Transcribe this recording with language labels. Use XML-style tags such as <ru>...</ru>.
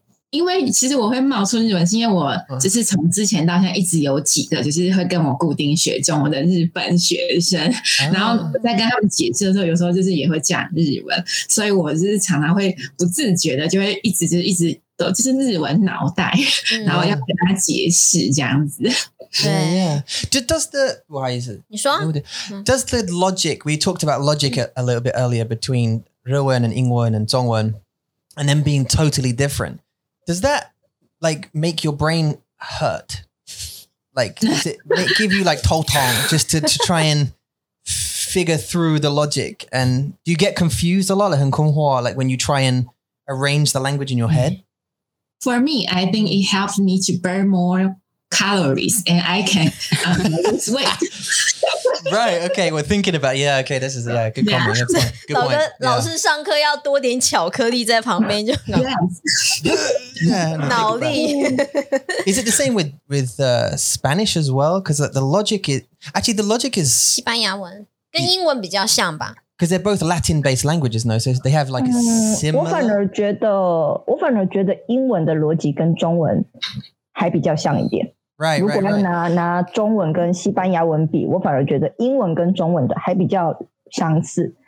<zh>因为其实我会冒出日文是因为我就是从之前到现在一直有几个就是会跟我固定学中文的日本学生、嗯、然后在跟他们解释的时候有时候就是也会讲日文，所以我就是常常会不自觉的就会一直就是一直就是日文脑袋、嗯、然后要跟他解释这样子。对</zh> <en>Does the</en> <zh>不好意思你说</zh> <en>Does the logic we talked about logic a little bit earlier between 日文 and 英文 and 中文 and then being totally different, does that like make your brain hurt? Like does it give you like 头痛 just to try and figure through the logic? And do you get confused a lot</en> <zh>很困惑</zh> <en>like when you try and arrange the language in your head? For me, I think it helps me to burn more calories and I can lose weight. Right, okay, we're thinking about, yeah, okay, this is a good comment. Yeah. Good point.</en> <zh>老跟老师上课要多点巧克力在旁边就脑力。脑力。</zh> <en>Is it the same with Spanish as well? Because the logic is, actually the logic is...</en> <zh>西班牙文跟英文比较像吧。</zh> <en>Because they're both Latin-based languages, no? So they have like a similar...</en> <zh>我反而觉得英文的逻辑跟中文还比较像一点。</zh> <en>Right,</en> <zh>如果要拿中文跟西班牙文比，我反而觉得英文跟中文的还比较相似。</zh>